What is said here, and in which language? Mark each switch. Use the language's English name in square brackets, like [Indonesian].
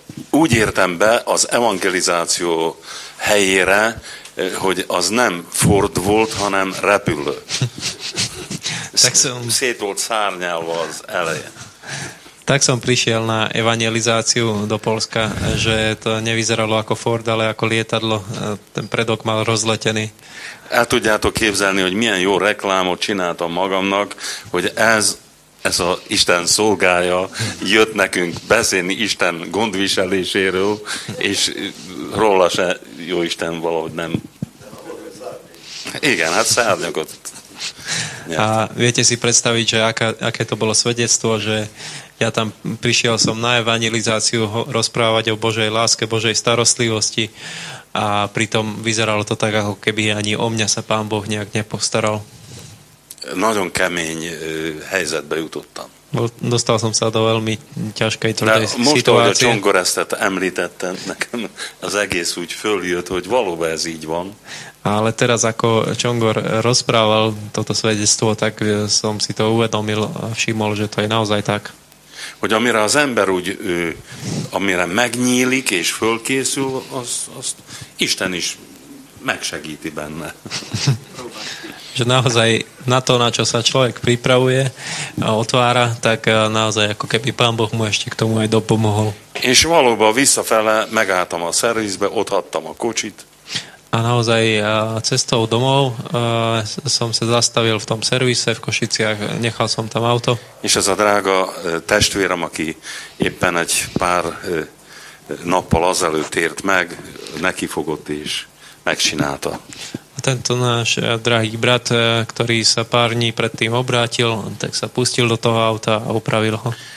[Hungarian] Úgy értem be az evangelizáció helyére, hogy az nem Ford volt, hanem repülő. Szét volt szárnyálva az elején. [Slovak] Tak som prišiel na evangelizáciu do Polska, že to nevyzeralo ako Ford, ale ako lietadlo. Ten predok mal rozletený. [Hungarian] El tudjátok képzelni, hogy milyen jó reklámot csináltam magamnak, hogy ez a Isten szolgája jött nekünk beszélni Isten gondviseléséről, és róla se jó Isten valahogy nem. Igen, hát szárnyakot. [Slovak] Nie. A viete si predstaviť, že aké to bolo svedectvo, že ja tam prišiel som na evangelizáciu rozprávať o Božej láske, Božej starostlivosti a pritom vyzeralo to tak, ako keby ani o mňa sa Pán Boh nejak nepostaral. [Hungarian] Nagyon kemény helyzetbe jutottam. [Slovak] Dostal som sa do veľmi ťažkej tvrdej situácie. [Hungarian] Most, ahogy a Csongoresztet említette, nekem az egész úgy följött, hogy valóban ez így van. [Slovak] Ale teraz, ako Csongor rozprával toto svedectvo, tak som si to uvedomil a všimol, že to je naozaj tak. [Hungarian] Hogy amire az ember úgy, amire megnyílik és fölkészül, azt Isten is megsegíti benne. [Slovak] Že naozaj na to, na čo sa človek pripravuje a otvára, tak naozaj ako keby Pán Boh mu ešte k tomu aj dopomohol. [Hungarian] És valóban visszafele megálltam a szervizbe, ott hattam a kocsit. [Slovak] A naozaj cestou domov som sa zastavil v tom servise v Košiciach, nechal som tam auto. [Hungarian] És ez a drága testvérem, aki éppen egy pár nappal azelőtt ért meg, nekifogott és megcsinálta. [Slovak] A tento náš drahý brat, ktorý sa pár dní predtým obrátil, tak sa pustil do toho auta a upravil ho.